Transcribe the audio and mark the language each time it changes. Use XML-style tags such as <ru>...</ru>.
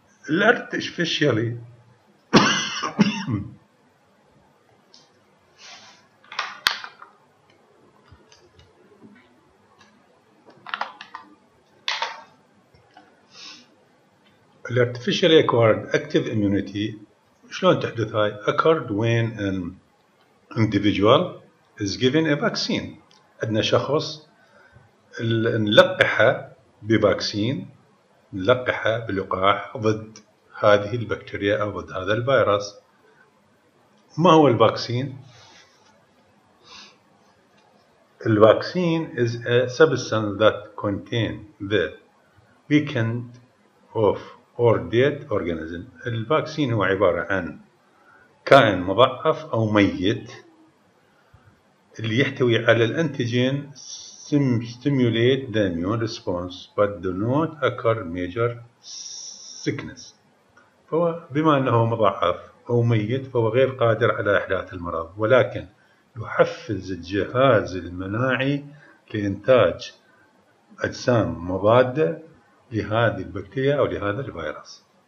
<en>الارتفيشيالي الارتفيشيالي acquired active immunity</en> <ar>شلون تحدث؟</ar> <en>هاي اكورد وين ان انديفيدوال از جيفن ا فاكسين.</en> <ar>عندنا شخص نلقحه بفاكسين، نلقحه بلقاح ضد هذه البكتيريا او ضد هذا الفيروس. ما هو الفاكسين؟ الفاكسين</ar> <en>is a substance that contain the weakened of or dead organism.</en> <ar>الفاكسين هو عبارة عن كائن مضعف او ميت اللي يحتوي على الانتيجين</ar> <en>stimulate the immune response but do not occur major sickness.</en> <ar>فهو بما انه مضعف او ميت فهو غير قادر على احداث المرض، ولكن يحفز الجهاز المناعي لانتاج اجسام مضاده لهذه البكتيريا او لهذا الفيروس.</ar>